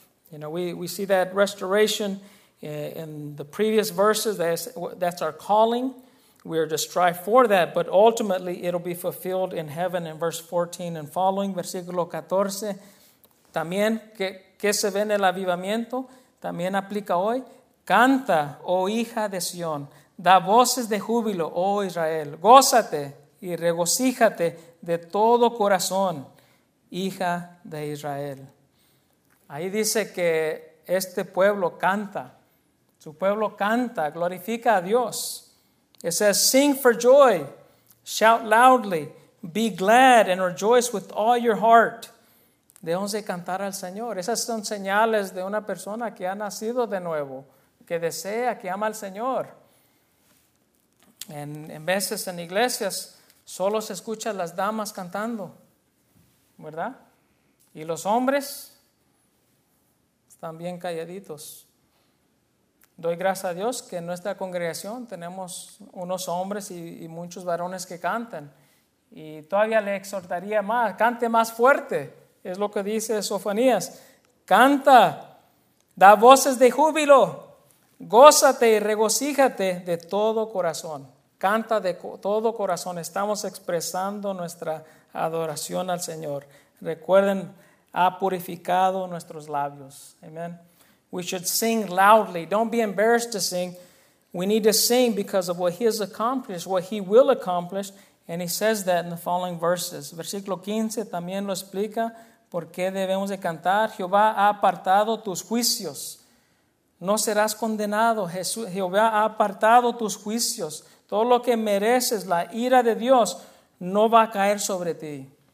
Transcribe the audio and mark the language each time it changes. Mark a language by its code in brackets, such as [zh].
[en] You know, we see that restoration in the previous verses. That's our calling. We are to strive for that, but ultimately it'll be fulfilled in heaven in verse 14 and following. [es] Versículo 14, también, ¿qué se ve en el avivamiento? También aplica hoy. Canta, oh hija de Sion. Da voces de júbilo, oh Israel. Gózate y regocíjate de todo corazón, hija de Israel. Ahí dice que este pueblo canta. Su pueblo canta, glorifica a Dios. [en] It says, sing for joy, shout loudly, be glad and rejoice with all your heart. [es] Debemos de cantar al Señor. Esas son señales de una persona que ha nacido de nuevo, que desea, que ama al Señor. En veces en iglesias solo se escucha a las damas cantando, ¿verdad? Y los hombres están bien calladitos. Doy gracias a Dios que en nuestra congregación tenemos unos hombres y muchos varones que cantan. Y todavía le exhortaría más, cante más fuerte. Es lo que dice Sofonías. Canta, da voces de júbilo, gózate y regocíjate de todo corazón. Canta de todo corazón. Estamos expresando nuestra adoración al Señor. Recuerden, ha purificado nuestros labios. Amén. [en] We should sing loudly. Don't be embarrassed to sing. We need to sing because of what he has accomplished, what he will accomplish. And he says that in the following verses. [es] Versículo 15 también lo explica por qué debemos de cantar. Jehová ha apartado tus juicios. No serás condenado. Jehová ha apartado tus juicios. Todo lo que mereces, la ira de Dios, no va a caer sobre ti.